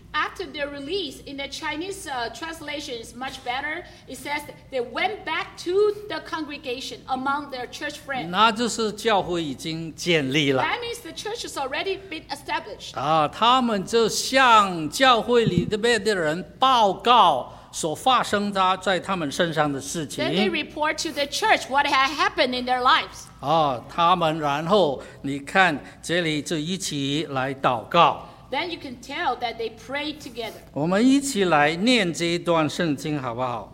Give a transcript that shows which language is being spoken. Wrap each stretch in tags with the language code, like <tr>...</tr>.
<en>After their release, in the Chinese translation, is much better. It says they went back to the congregation among their church friends.</en> <zh>那就是教会已经建立了。</zh> <en>That means the church has already been established.</en> <zh>他们就向教会里边的人报告所发生在他们身上的事情。</zh> <en>Then they report to the church what had happened in their lives.</en> <zh>他们然后你看这里就一起来祷告。</zh> <en>Then you can tell that they pray together.</en> <zh>我们一起来念这一段圣经好不好？</zh>